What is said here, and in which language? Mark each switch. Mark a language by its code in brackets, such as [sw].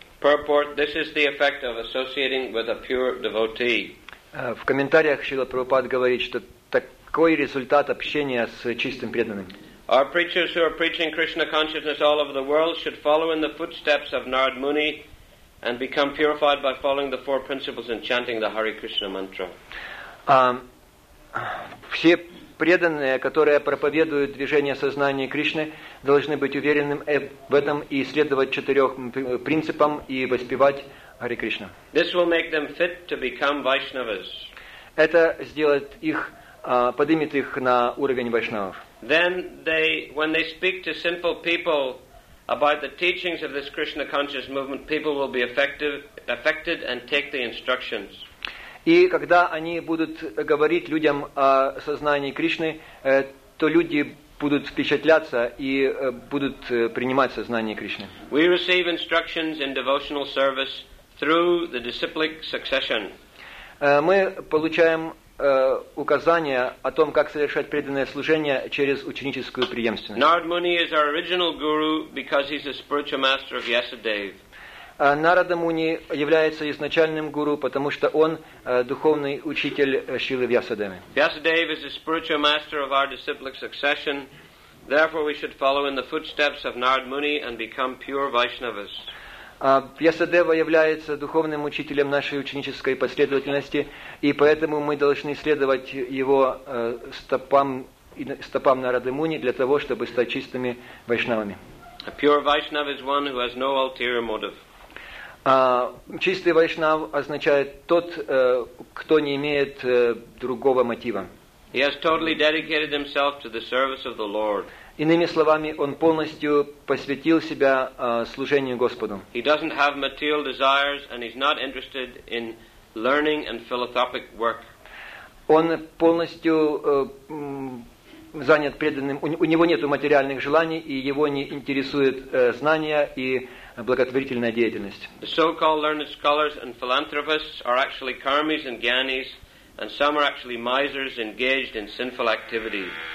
[en] Purport, this is the effect of associating with a pure devotee. [ru] В комментариях Шрила Прабхупада говорит, что такой результат общения с чистым преданным. [en] Our preachers who are preaching Krishna consciousness all over the world should follow in the footsteps of Narada Muni and become purified by following the four principles and chanting the Hare Krishna mantra. [ru] Все преданные, которые проповедуют движение сознания Кришны, должны быть уверены в этом и следовать четырем принципам и воспевать Хари Кришна. [en] This will make them fit to become Vaishnavas. [ru] Это сделает их, поднимет их на уровень вайшнавов. [en] Then they, when they speak to simple people about the teachings of this Krishna conscious movement, people will be affected and take the instructions. [ru] И когда они будут говорить людям о сознании Кришны, то люди будут впечатляться и будут принимать сознание Кришны. [en] We receive instructions in devotional service through the disciplic succession. [ru] Мы получаем указания о том, как совершать преданное служение через ученическую преемственность. [en] Narad Muni is our original guru because he's a spiritual master of Vyasadeva. [ru] Нарада Муни является изначальным гуру, потому что он духовный учитель Шрилы Вьясадевы. [en] Vyasadeva is a spiritual master of our disciplic succession. Therefore, we should follow in the footsteps of Narad Muni and become pure Vaishnavas. [ru] Vyasadeva является духовным учителем нашей ученической последовательности, и поэтому мы должны следовать его стопам Нарады Муни для того, чтобы стать чистыми вайшнавами. [en] A pure Vaishnava is one who has no ulterior motive. [ru] Чистый вайшнав означает тот, кто не имеет другого мотива. [en] He has totally dedicated himself to the service of the Lord. [ru] Иными словами, он полностью посвятил себя служению Господу. [en] He doesn't have material desires and he's not interested in learning and philanthropic work. [ru] Он полностью занят преданным. У него нету материальных желаний и его не интересует знания и благотворительная деятельность. [en] The so-called learned scholars and philanthropists are actually karmis and gyanis, and some are actually misers engaged in sinful activity.